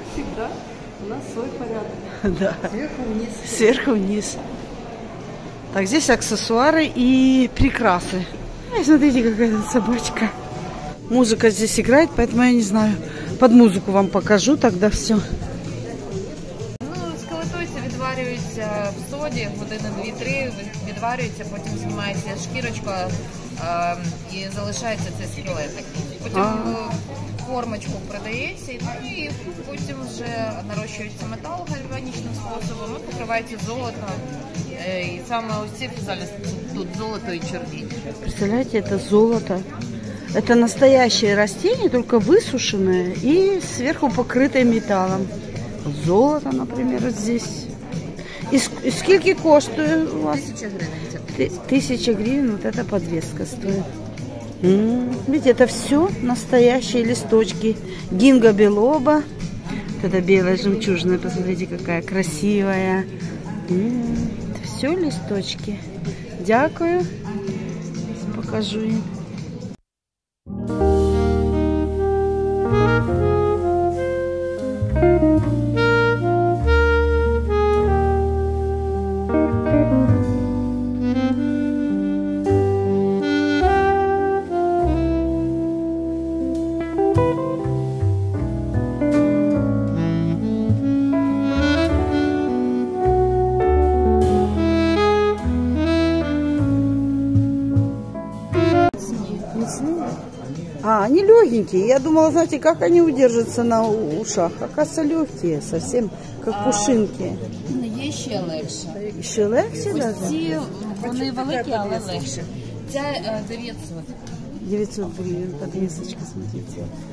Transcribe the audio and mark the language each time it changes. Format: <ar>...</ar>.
<ru>Всегда. У нас свой порядок. Да. Сверху вниз. Сверху вниз. Так, здесь аксессуары и прикрасы. Ай, смотрите, какая тут собачка. Музыка здесь играет, поэтому я не знаю. Под музыку вам покажу тогда все.</ru> <uk>Ну, с колотой відварюється в соді, години-дві-три, відварюється, потім знімається шкірочка. І залишається цей скелетик. Потім формочку продається, і потім вже нарощується метал гальванічним способом, і покривається золото. І саме ось ці фізалі тут золото і чорніль. Представляєте, це золото. Це настояще растіння, тільки висушене і зверху покрите металом. Золото, наприклад, ось тут. І скільки коштує у вас? 1000 гривень.</uk> <ru>1000 гривен, вот эта подвеска стоит. Видите, это все настоящие листочки. Гинго белоба. Вот эта белая жемчужная, посмотрите, какая красивая. Это все листочки.</ru> <uk>Дякую.</uk> <ru>Покажу им. А, они легенькие. Я думала, знаете, как они удержатся на ушах. Оказывается, легкие, совсем как пушинки.</ru> <uk>Є ще легше. Ще легше, да? Ці, вони великі, але легше. Це 900.</uk> <ru>900 гривень, подвесочка, смотрите.</ru>